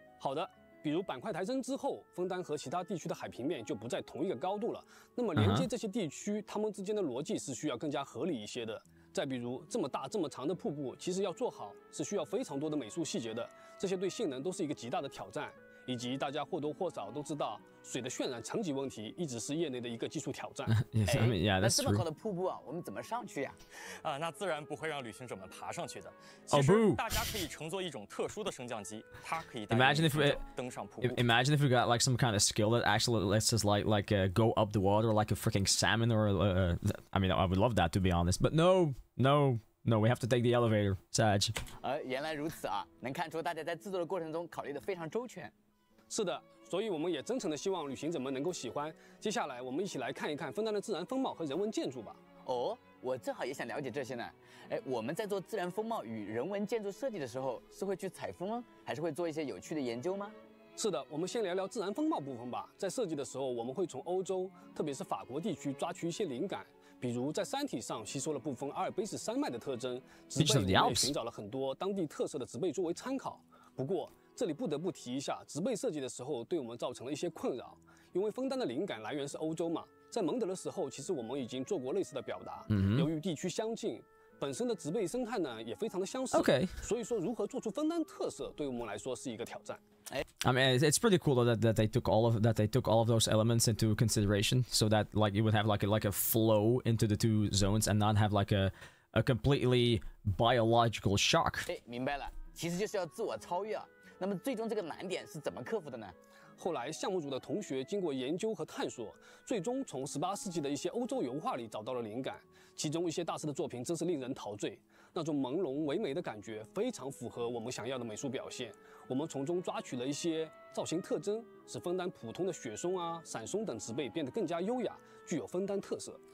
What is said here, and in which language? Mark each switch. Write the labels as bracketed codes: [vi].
[zh] 好的比如板块抬升之后枫丹和其他地区的海平面就不在同一个高度了那么连接这些地区它们之间的逻辑是需要更加合理一些的再比如这么大这么长的瀑布其实要做好是需要非常多的美术细节的这些对性能都是一个极大的挑战以及大家或多或少都知道水的渲染层级问题一直是业内的一个技术挑战 [en] yes, I mean, yeah, [zh] 那这么高的瀑布啊我们怎么上去啊、那自然不会让旅行者们爬上去的其实大家可以乘坐一种特殊的升降机它可以带你登上瀑布 [en] imagine if we got like some kind of skill that actually lets us like go up the water like a freaking salmon or I mean I would love that to be honest but no, we have to take the elevator Saj [zh] 原来如此啊能看出大家在制作的过程中考虑的非常周全是的所以我们也真诚的希望旅行者们能够喜欢接下来我们一起来看一看枫丹的自然风貌和人文建筑吧哦我正好也想了解这些呢哎，我们在做自然风貌与人文建筑设计的时候是会去采风吗还是会做一些有趣的研究吗是的我们先聊聊自然风貌部分吧在设计的时候我们会从欧洲特别是法国地区抓取一些灵感比如在山体上吸收了部分阿尔卑斯山脉的特征植被我们也寻找了很多当地特色的植被作为参考不过这里不得不提一下植被设计的时候对我们造成了一些困扰因为枫丹的灵感来源是欧洲嘛在蒙德的时候其实我们已经做过类似的表达、 mm-hmm. 由于地区相近本身的植被生态呢也非常的相似、 [en] okay. [zh] 所以说如何做出枫丹特色对我们来说是一个挑战 [en] I mean it's pretty cool though that they took all of those elements into consideration so that like you would have like a flow into the two zones and not have like a completely biological shock [zh] 明白了其实就是要自我超越啊那么最终这个难点是怎么克服的呢后来项目组的同学经过研究和探索最终从18世纪的一些欧洲油画里找到了灵感其中一些大师的作品真是令人陶醉那种朦胧唯美的感觉非常符合我们想要的美术表现我们从中抓取了一些造型特征使枫丹普通的雪松啊闪松等植被变得更加优雅具有枫丹特色